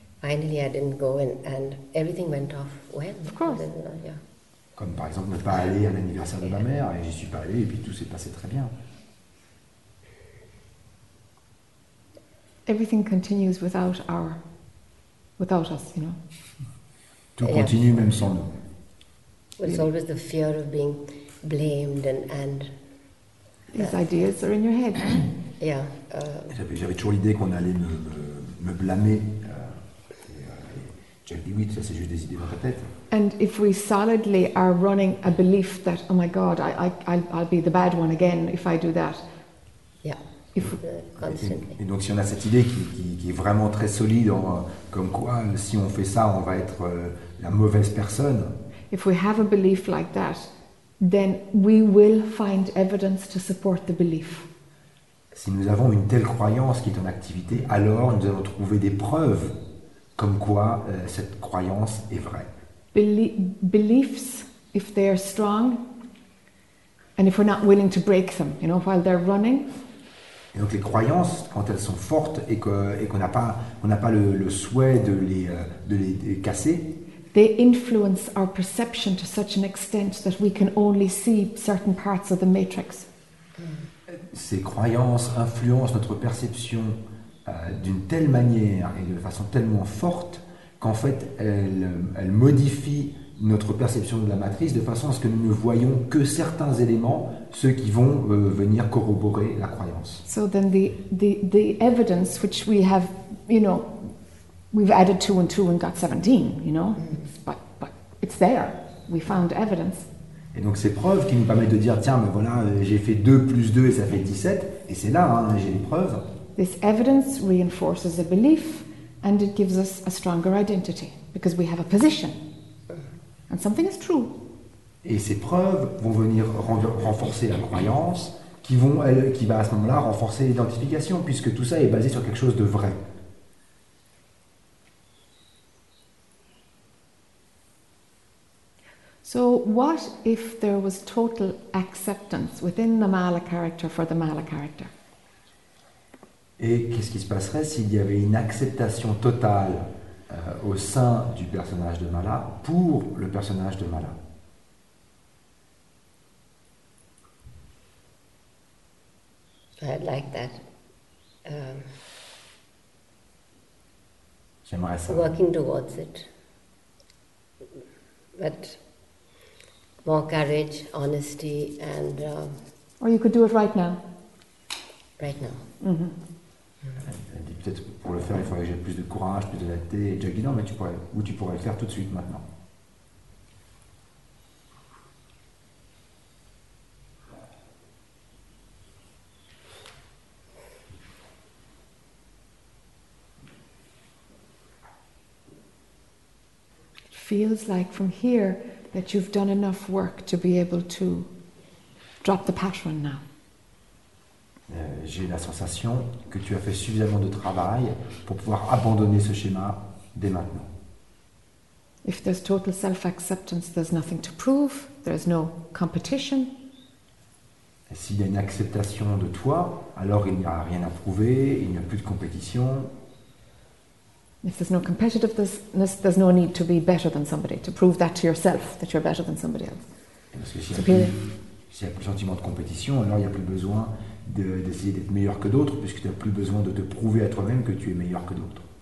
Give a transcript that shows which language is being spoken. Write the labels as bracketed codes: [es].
[en] Finally, I didn't go and everything went off well. Of course. Yeah. [fr] Comme par exemple ne pas aller à l'anniversaire de ma mère, et j'y suis pas allé et puis tout s'est passé très bien. [en] Everything continues without us, you know. [fr] Tout continue même sans nous. [en] It's always the fear of being blamed and these ideas are in your head. Yeah. [fr] J'avais toujours l'idée qu'on allait me blâmer. Et j'avais dit oui, ça c'est juste des idées dans ta tête. [en] And if we solidly are running a belief that oh my God, I'll be the bad one again if I do that. Yeah. If constantly. [fr] Et donc si on a cette idée qui est vraiment très solide, comme quoi si on fait ça, on va être la mauvaise personne. [en] If we have a belief like that, then we will find evidence to support the belief. [fr] Si nous avons une telle croyance qui est en activité, alors nous allons trouver des preuves comme quoi cette croyance est vraie. [en] Beliefs, if they are strong, and if we're not willing to break them, you know, while they're running. [fr] Et donc les croyances, quand elles sont fortes et qu'on n'a pas le souhait de les casser. [en] They influence our perception to such an extent that we can only see certain parts of the matrix. [fr] Ces croyances influencent notre perception d'une telle manière et de façon tellement forte qu'en fait elles modifient notre perception de la matrice de façon à ce que nous ne voyons que certains éléments, ceux qui vont venir corroborer la croyance. [en] So then the evidence which we have, you know, we've added 2 and 2 and got 17, you know. But it's there. We found evidence. [fr] Et donc ces preuves qui nous permettent de dire tiens, mais voilà, j'ai fait 2 plus 2 et ça fait 17 et c'est là hein, j'ai les preuves. [en] This evidence reinforces a belief and it gives us a stronger identity because we have a position and something is true. [fr] Et ces preuves vont venir renforcer la croyance qui va à ce moment-là renforcer l'identification puisque tout ça est basé sur quelque chose de vrai. [en] So what if there was total acceptance within the mala character for the mala character? [fr] Et qu'est-ce qui se passerait s'il y avait une acceptation totale au sein du personnage de mala pour le personnage de mala? [en] I'd like that. [fr] J'aimerais ça. [en] Working towards it. But more courage, honesty, and... Or you could do it right now. Right now. Mm-hmm. [fr] Elle dit peut-être pour le faire, il faudrait que j'aie plus de courage, plus d'honnêteté. Et Jack dit non, mais tu pourrais le faire tout de suite maintenant. [en] feels like from here that you've done enough work to be able to drop the pattern now. [fr] J'ai la sensation que tu as fait suffisamment de travail pour pouvoir abandonner ce schéma dès maintenant. [en] If there's total self-acceptance, there's nothing to prove, there's no competition. [fr] S'il y a une acceptation de toi, alors il n'y a rien à prouver, il n'y a plus de compétition. [en] If there's no competitiveness, there's no need to be better than somebody, to prove that to yourself, that you're better than somebody else. [fr] Et parce que s'il y a plus sentiment de compétition, alors il n'y a plus besoin d'essayer d'être meilleur que d'autres, puisque tu n'as plus besoin de te prouver à toi-même que tu es meilleur que d'autres.